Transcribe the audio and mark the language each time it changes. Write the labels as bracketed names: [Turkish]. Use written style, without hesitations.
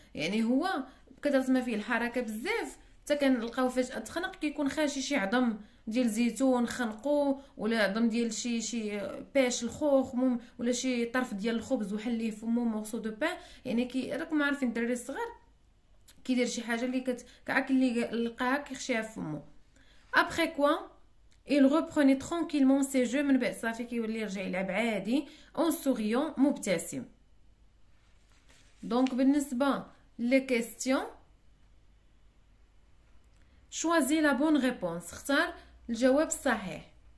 [Arabic] يعني هو كدرت ما فيه الحركة بزاف، حتى كنلقاو فجأة تخنق، كيكون خاشي شي عظم ديال زيتون خنقو، ولا عظم ديال شي بيش الخوخ، ولا شي طرف ديال الخبز وحليه فمو مورسو دو بان. يعني كي راكم عارفين الدراري الصغار كيدير شي حاجة اللي كعاك اللي لقاها كيخشيها فمو. [French] Après quoi, il reprenait tranquillement ses jeux, من بعد صافي كيولي يرجع يلعب عادي، en souriant مبتسم. [Arabic] Donc بالنسبه للكيستيون، choisis la bonne réponse، اختار الجواب الصحيح.